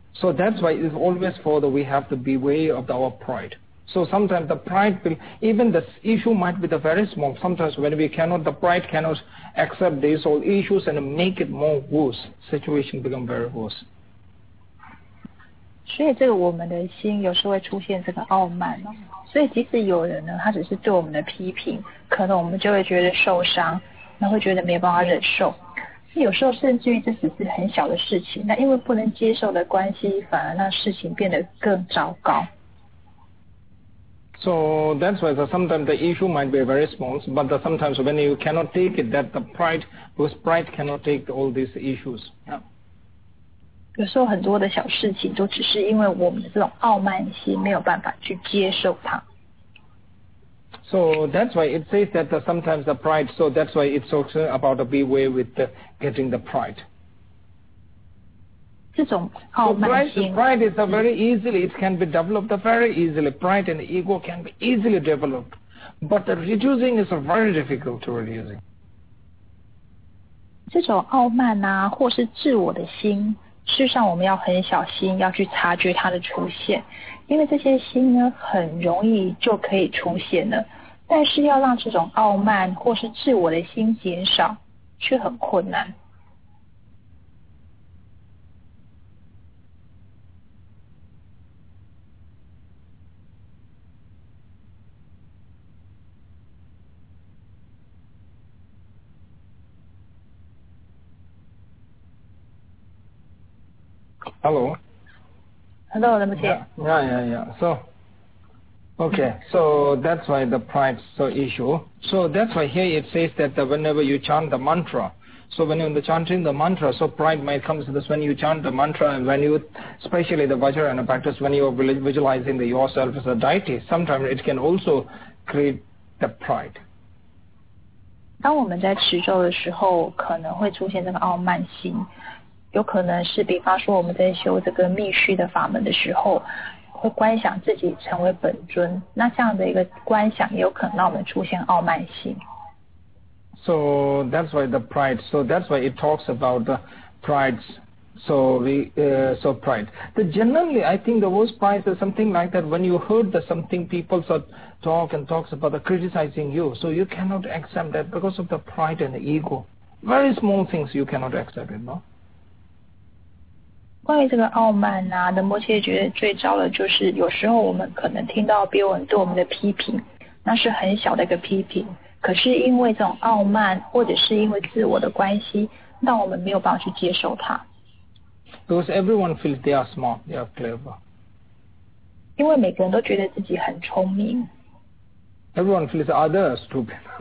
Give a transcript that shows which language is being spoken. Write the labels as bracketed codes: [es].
[en] So that's why it's always for the, we have to be way of the, our pride. So sometimes the pride will, even the issue might be the very small, sometimes when we cannot, the pride cannot accept these all issues and make it more worse, situation become very worse. [zh] 所以这个我们的心有时候会出现这个傲慢，所以即使有人呢，他只是对我们的批评，可能我们就会觉得受伤，那会觉得没办法忍受。那有时候甚至于这只是很小的事情，那因为不能接受的关系，反而让事情变得更糟糕。 [en] So that's why sometimes the issue might be very small, but the, sometimes when you cannot take it, that the pride, whose pride cannot take all these issues.、 [zh] 有时候很多的小事情都只是因为我们的这种傲慢心没有办法去接受它。 [en] So that's why it says that the, sometimes the pride, so that's why it talks about beware with the, getting the pride. [zh] 这种傲慢心。 [en] So pride is a very easily, it can be developed very easily. Pride and ego can be easily developed. But the reducing is very difficult to reducing. [zh] 这种傲慢啊，或是自我的心。事实上我们要很小心要去察觉它的出现，因为这些心呢很容易就可以出现了，但是要让这种傲慢或是自我的心减少却很困难。 [en] Hello. Hello, let me see. Yeah. So, okay. So that's why the pride so issue. So that's why here it says that the, whenever you chant the mantra, so when you're chanting the mantra, so pride might come to this when you chant the mantra, and when you, especially the Vajrayana practice, when you are visualizing the yourself as a deity, sometimes it can also create the pride. [zh] 当我们在持咒的时候，可能会出现这个傲慢心，有可能是比方说我们在修这个密续的法门的时候，会观想自己成为本尊，那这样的一个观想也有可能让我们出现傲慢心。 [en] So that's why the pride. So that's why it talks about the pride. So we so pride. The generally, I think the worst pride is something like that. When you heard that something people sort talk and talks about the criticizing you, so you cannot accept that because of the pride and the ego. Very small things you cannot accept it, no? [zh] 关于这个傲慢啊，那摩羯觉得最糟的就是有时候我们可能听到别人对我们的批评，那是很小的一个批评。可是因为这种傲慢或者是因为自我的关系，让我们没有办法去接受它。 [en] Because everyone feels they are smart, they are clever. [zh] 因为每个人都觉得自己很聪明。 [en] Everyone feels others stupid.